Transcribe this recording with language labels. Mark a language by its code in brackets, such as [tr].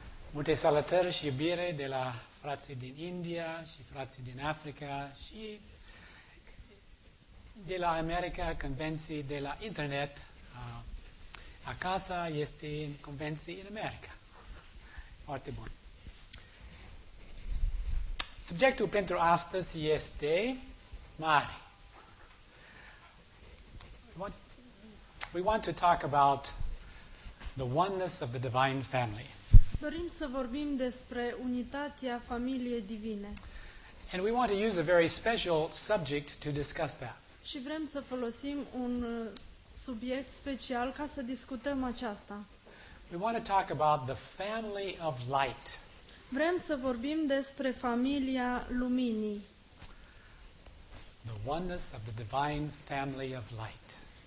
[ro] Multe salutări și iubire de la frații din India și frații din Africa și de la America, convenții de la internet. Acasă este în convenții în America. Foarte bun. Subiectul pentru astăzi este mare. [en] We want to talk about the oneness of the divine family. [ro] Dorim să vorbim despre unitatea familiei divine. [en] And we want to use a very special subject to discuss that. [ro] Și vrem să folosim un subiect special ca să discutăm aceasta. [en] We want to talk about the family of light. [ro] Vrem să vorbim despre familia luminii. [en] The oneness of the divine family of light.